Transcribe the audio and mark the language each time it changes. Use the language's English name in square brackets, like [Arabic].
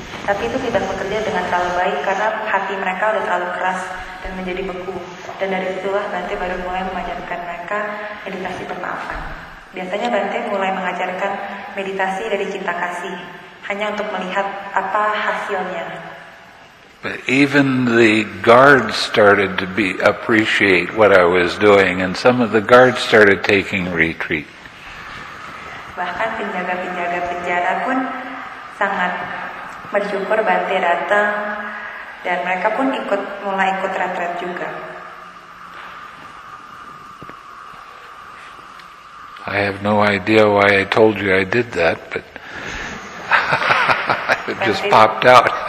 [Indonesian] Tapi itu tidak bekerja dengan terlalu baik karena hati mereka sudah terlalu keras dan menjadi beku. Dan dari itulah Bhante baru mulai mengajarkan mereka meditasi pemaafan. Biasanya Bhante mulai mengajarkan meditasi dari cinta kasih hanya untuk melihat apa hasilnya. [English] But even the guards started to appreciate what I was doing, and some of the guards started taking retreat. [Indonesian] Bahkan penjaga-penjaga penjara pun sangat bersyukur Bhante datang, dan mereka pun mulai ikut retreat juga. [English] I have no idea why I told you I did that, but it just popped out.